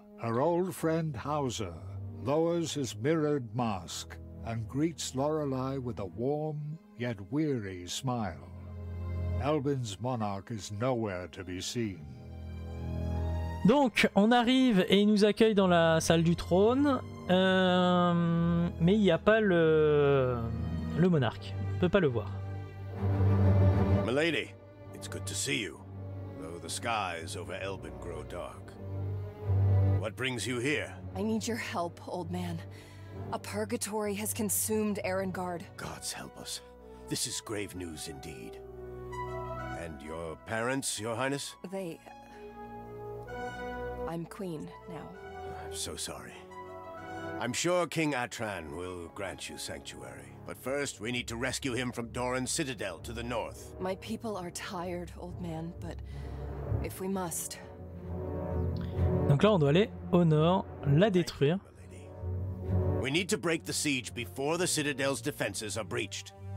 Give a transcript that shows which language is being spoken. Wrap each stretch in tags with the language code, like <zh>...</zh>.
<en>Her old friend Hauser lowers his mirrored mask and greets Lorelei with a warm yet weary smile. Elbin's monarch is nowhere to be seen.</en> <fr>Donc, on arrive et il nous accueille dans la salle du trône, mais il n'y a pas le monarque. On peut pas le voir.</fr> <en>Milady, it's good to see you. Though the skies over Elben grow dark. What brings you here? I need your help, old man. A purgatory has consumed Arengard. Gods help us. This is grave news indeed. And your parents, your highness? They. I'm queen now. I'm so sorry. I'm sure King Atran will grant you sanctuary. But first, we need to rescue him from Doran's citadel to the north. My people are tired, old man, but if we must...</en> <fr>Donc là, on doit aller au nord, la détruire.</fr> <en>We need to break the siege before the citadel's defenses are breached.</en>